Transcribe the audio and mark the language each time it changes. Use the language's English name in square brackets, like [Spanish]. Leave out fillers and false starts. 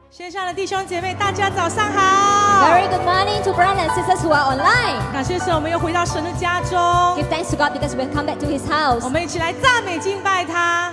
[Chinese] 上的弟兄姐妹，大家早上好。 [English] Very good morning to brothers and sisters who are online. [Chinese] 感谢神，我们又回到神的家中。 [English] Give thanks to God because we have come back to His house. [Chinese] 我们一起来赞美敬拜他。